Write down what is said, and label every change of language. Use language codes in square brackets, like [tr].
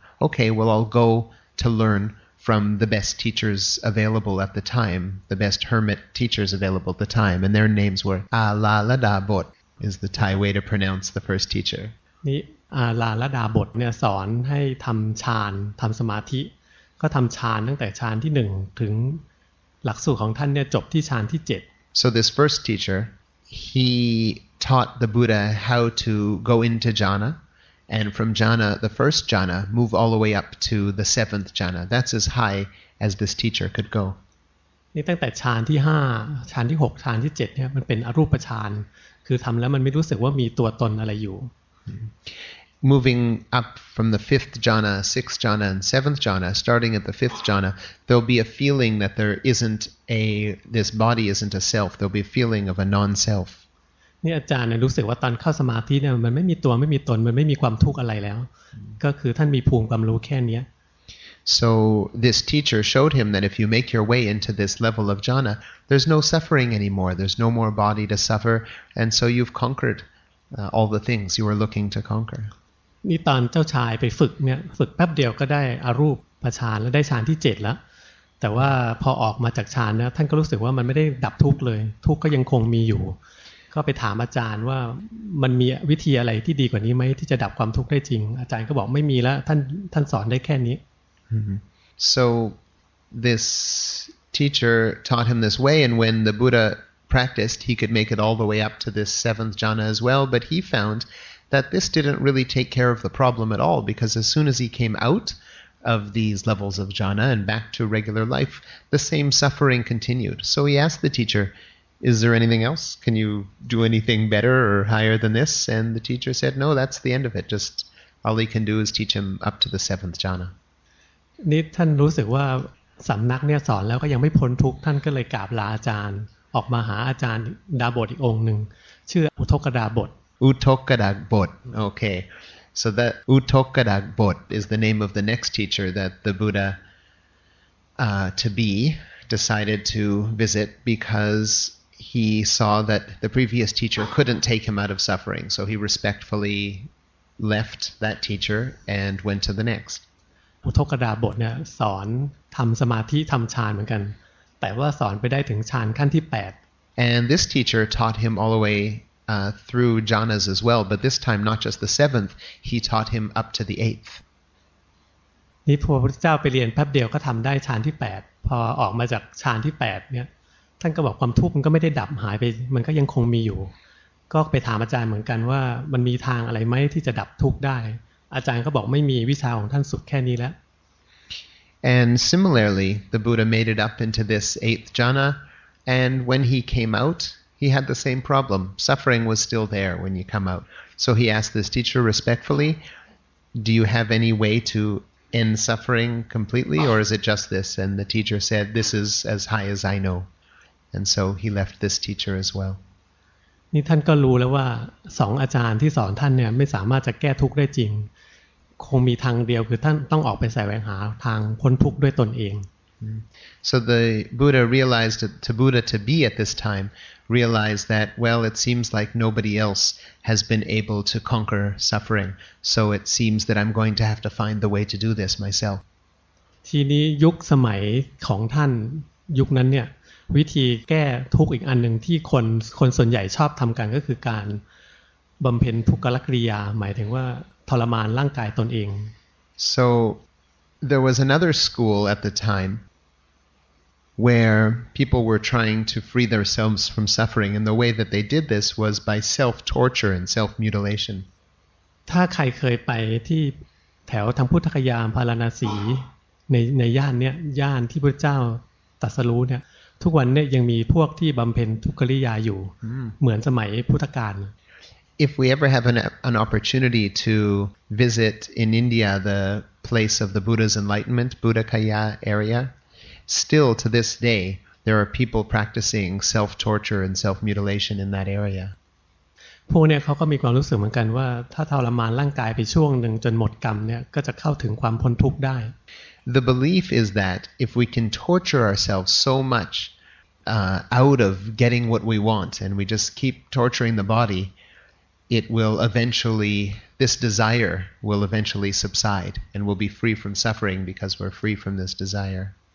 [en] Okay, well, I'll go to learn from the best teachers available at the time, the best hermit teachers available at the time. And their names were Alaladabot is the Thai way to pronounce the first teacher. [th] นี่อาลาละดาบทเนี่ยสอนให้ทำฌานทำสมาธิก็ทำฌานตั้งแต่ฌานที่1ถึงหลักสูตรของท่านเนี่ยจบที่ฌานที่7 [en] So this first teacher he taught the Buddha how to go into jhana and from jhana the first jhana move all the way up to the seventh jhana that's as high as this teacher could go [th] นี่ตั้งแต่ฌานที่5ฌานที่6ฌานที่7เนี่ยมันเป็นอรูปฌานคือทำแล้วมันไม่รู้สึกว่ามีตัวตนอะไรอยู่ [en] Moving up from the fifth jhana, sixth jhana, and seventh jhana, starting at the fifth jhana, there'll be a feeling that there isn't a this body isn't a self. There'll be a feeling of a non-self. [th] นี่อาจารย์รู้สึกว่าตอนเข้าสมาธิเนี่ยมันไม่มีตัวไม่มีตนมันไม่มีความทุกข์อะไรแล้วก็คือท่านมีภูมิความรู้แค่นี้ [en] So this teacher showed him that if you make your way into this level of jhana, there's no suffering anymore. There's no more body to suffer, and so you've conquered. All the things you were looking to conquer. [th] นี่ตอนเจ้าชายไปฝึกเนี่ยฝึกแป๊บเดียวก็ได้อรูปฌานแล้วได้ฌานที่7แล้วแต่ว่าพอออกมาจากฌานนะท่านก็รู้สึกว่ามันไม่ได้ดับทุกข์เลยทุกข์ก็ยังคงมีอยู่ก็ไปถามอาจารย์ว่ามันมีวิธีอะไรที่ดีกว่านี้ไหมที่จะดับความทุกข์ได้จริงอาจารย์ก็บอกไม่มีแล้วท่านสอนได้แค่นี้ [en] So this teacher taught him this way and when the BuddhaPracticed, he could make it all the way up to this seventh jhana as well. But he found that this didn't really take care of the problem at all, because as soon as he came out of these levels of jhana and back to regular life, the same suffering continued. So he asked the teacher, "Is there anything else? Can you do anything better or higher than this?" And the teacher said, "No, that's the end of it. Just all he can do is teach him up to the seventh jhana." [th] นี่ท่านรู้สึกว่าสำนักเนี่ยสอนแล้วก็ยังไม่พ้นทุกข์ท่านก็เลยกราบลาอาจารย์ออกมาหาอาจารย์ดาบสอีกองค์หนึ่งชื่ออุทกดาบส [en] อุทกดาบสโอเค so that อุทกดาบส is the name of the next teacher that the Buddha to be decided to visit because he saw that the previous teacher couldn't take him out of suffering so he respectfully left that teacher and went to the next [th] อุทกดาบสเนี่ยสอนทำสมาธิทำฌานเหมือนกันแต่ว่าสอนไปได้ถึงฌานขั้นที่8 [en] And this teacher taught him all the way through jhanas as well but this time not just the 7th he taught him up to the 8th [th] นี่พอพระพุทธเจ้าไปเรียนแป๊บเดียวก็ทำได้ฌานที่8พอออกมาจากฌานที่8เนี่ยท่านก็บอกความทุกข์มันก็ไม่ได้ดับหายไปมันก็ยังคงมีอยู่ ก็ไปถามอาจารย์เหมือนกันว่ามันมีทางอะไรไหมที่จะดับทุกข์ได้อาจารย์ก็บอกไม่มีวิชาของท่านสุดแค่นี้แล้ว [en] And similarly the Buddha made it up into this eighth jhana and when he came out he had the same problem suffering was still there when you come out so he asked this teacher respectfully do you have any way to end suffering completely or is it just this and the teacher said this is as high as I know and so he left this teacher as well [th] นี่ท่านก็รู้แล้วว่าสองอาจารย์ที่สอนท่านเนี่ยไม่สามารถจะแก้ทุกข์ได้จริงคงมีทางเดียวคือท่านต้องออกไปแสวงหาทางพ้นทุกข์ด้วยตนเอง [en] So the Buddha realized that the Buddha to be at this time realized that well it seems like nobody else has been able to conquer suffering so it seems that I'm going to have to find the way to do this myself [th] ทีนี้ยุคสมัยของท่านยุคนั้นเนี่ยวิธีแก้ทุกข์อีกอันหนึ่งที่คนส่วนใหญ่ชอบทำกันก็คือการบำเพ็ญทุกขลกิริยาหมายถึงว่าทรมานร่างกายตนเอง [en] So there was another school at the time where people were trying to free themselves from suffering and the way that they did this was by self torture and self mutilation [th] ถ้าใครเคยไปที่แถวทางพุทธคยาพาราณสีในย่านเนี้ยย่านที่พระเจ้าตรัสรู้เนี่ยทุกวันเนี่ยยังมีพวกที่บำเพ็ญทุกขริยาอยู่เหมือนสมัยพุทธกาล [en] If we ever have an opportunity to visit in India the place of the Buddha's enlightenment Buddhakaya area still to this day there are people practicing self torture and self mutilation in that area [th] พวกเนี่ยเขาก็มีความรู้สึกเหมือนกันว่าถ้าทรมานร่างกายไปช่วงหนึ่งจนหมดกรรมเนี่ยก็จะเข้าถึงความพ้นทุกข์ได้ [en] The belief is that if we can torture ourselves so much out of getting what we want and we just keep torturing the body, it will eventually, this desire will eventually subside and we'll be free from suffering because we're free from this desire.